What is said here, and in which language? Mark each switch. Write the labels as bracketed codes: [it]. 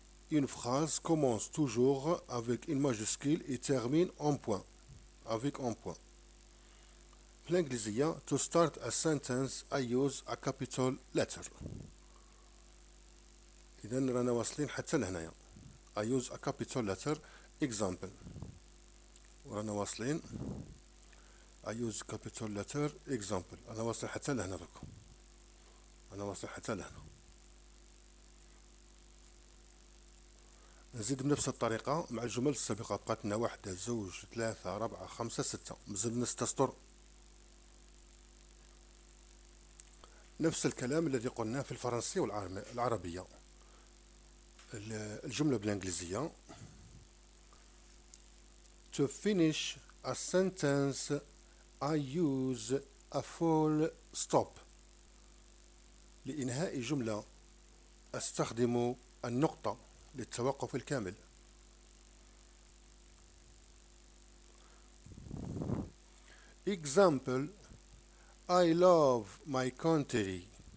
[fr] une phrase commence toujours avec une majuscule et termine en point avec un point. [ar] بالإنجليزية [en] to start a sentence I use a capital letter. [ar] إذن رانا واصلين حتى لهنايا. [en] I use a capital letter example. [ar] ورانا واصلين. [en] I use capital letter example. [ar] أنا واصل حتى لهنا لكم. أنا واصل حتى لهنا. نزيد بنفس الطريقة مع الجمل السابقة. بقات لنا واحدة، زوج، ثلاثة، أربعة، خمسة، ستة. مازال نستسطر. نفس الكلام الذي قلناه في الفرنسية والعربية. الجملة بالإنجليزية [en] To finish a sentence I use a full stop. [ar] لإنهاء جملة أستخدم النقطة للتوقف الكامل. [en] example I love my country.